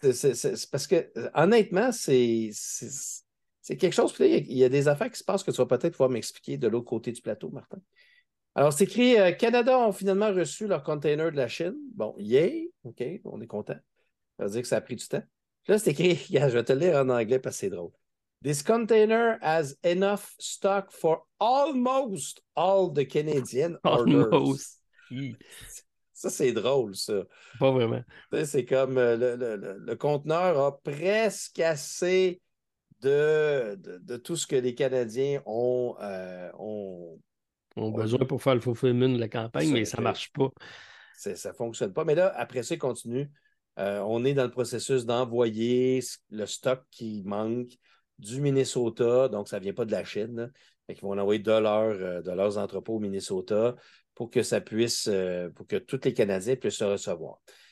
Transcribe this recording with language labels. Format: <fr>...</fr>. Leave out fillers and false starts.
<fr>C'est parce que, honnêtement, c'est quelque chose. Puis là, il y a des affaires qui se passent que tu vas peut-être pouvoir m'expliquer de l'autre côté du plateau, Martin. Alors, c'est écrit Canada ont finalement reçu leur container de la Chine. Bon, yay, OK, on est content. Ça veut dire que ça a pris du temps. Puis là, c'est écrit, regarde, je vais te lire en anglais parce que c'est drôle.</fr> <en>This container has enough stock for almost all the Canadian orders.</en> <fr>Ça, c'est drôle, ça. Pas vraiment. C'est comme le conteneur a presque assez de tout ce que les Canadiens ont... ont besoin pour faire le fulfillment de la campagne, mais ça ne marche pas. C'est, ça ne fonctionne pas. Mais là, après ça, il continue. On est dans le processus d'envoyer le stock qui manque du Minnesota, donc ça ne vient pas de la Chine, mais qu'ils vont l'envoyer de leurs entrepôts au Minnesota pour que ça puisse, pour que tous les Canadiens puissent se recevoir.</fr>